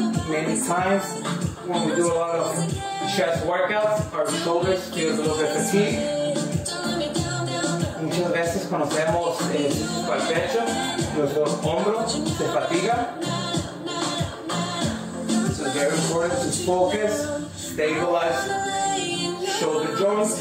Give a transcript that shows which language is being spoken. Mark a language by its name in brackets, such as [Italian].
[English] Many times when we do a lot of chest workouts, our shoulders feel a little bit fatigued. [Spanish] Muchas veces cuando hacemos el pecho, nuestro hombro se fatiga. [English] So it's very important to focus, stabilize shoulder joints.